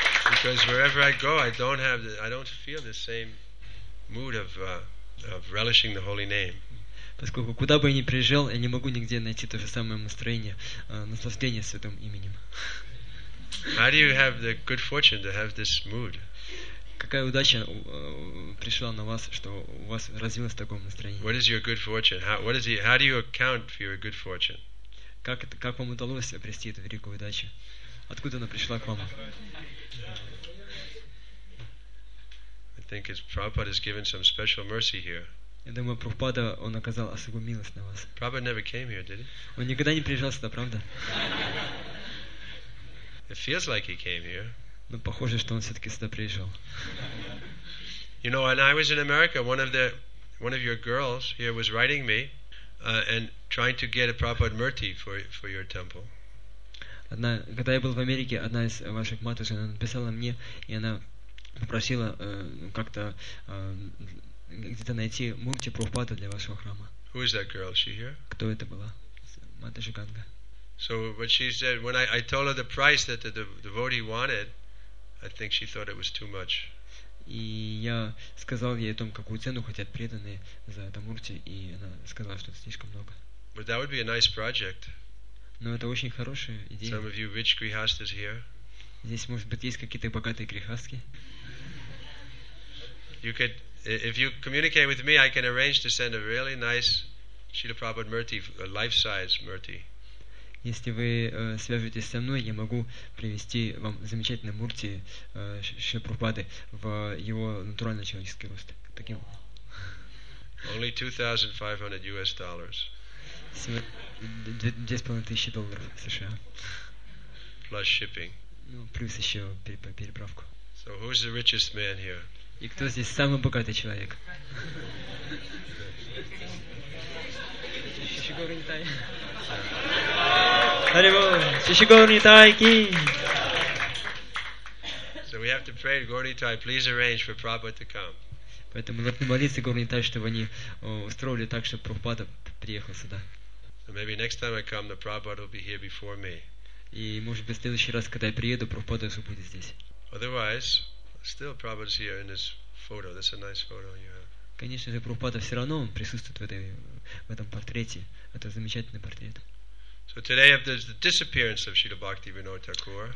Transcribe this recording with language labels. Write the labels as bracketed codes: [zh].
[en] Because wherever I go, I don't feel the same mood of relishing the holy name. [ru] Поскольку куда бы я ни приезжал, я не могу нигде найти то же самое настроение, наслаждение святым именем. [en] How do you have the good fortune to have this mood? [ru] Какая удача пришла на вас, что у вас развилось такое настроение? [en] What is your good fortune? How do you account for your good fortune? [ru] Как вам удалось обрести эту великую удачу? Откуда она пришла к вам? [en] I think Prabhupada has given some special mercy here. [ru] Я думаю, Прабхупада он оказал особую милость на вас. [en] Prabhupada never came here, did he? [ru] Он никогда не приезжал сюда, правда? [en] It feels like he came here. [ru] Но похоже, что он все-таки сюда приезжал. [en] You know, when I was in America, one of your girls here was writing me and trying to get a Prabhupada murti for your temple. [ru] Когда я был в Америке, одна из ваших матушек написала мне, и она попросила как-то где-то найти мурти Прабхупады для вашего храма. [en] Who is that girl? She here? [ru] Кто это была? Матуша Ганга. [en] So what she said when I told her the price that the devotee wanted, I think she thought it was too much. [ru] И я сказал ей о том, какую цену хотят преданные за это мурти, и она сказала, что это слишком много. [en] But that would be a nice project. [ru] Но это очень хорошая идея. [en] Some of you rich grihasthas here. [ru] Здесь, может быть, есть какие-то богатые грихастки. [en] You could, if you communicate with me, I can arrange to send a really nice Srila Prabhupada murti, a life-size murti. [ru] Если вы свяжетесь со мной, я могу привезти вам замечательный мурти Шри Прабхупады в его натуральный человеческий рост. Таким. [en] Only $2,500. [ru] $2,500 [en] Plus shipping. [ru] Ну плюс еще переправку. [en] So who's the richest man here? [ru] И кто здесь самый богатый человек? Шишигоринтай. Алло, Шишигоринтай, кинь. So [en] So we have to pray to Gaudiya, please arrange for Prabhupada to come. [ru] Поэтому нужно молиться Гаудиятай, чтобы они устроили так, чтобы Прабхупада приехал сюда. [en] So maybe next time I come, the Prabhupada will be here before me. [ru] И может быть в следующий раз, когда я приеду, Прабхупада уже будет здесь. [en] Otherwise, still Prabhupada's here in this photo. That's a nice photo you have. [ru] Конечно же, Прабхупада все равно он присутствует в этом портрете. Это замечательный портрет. [en] So today there's the disappearance of Srila Bhaktivinoda Thakur.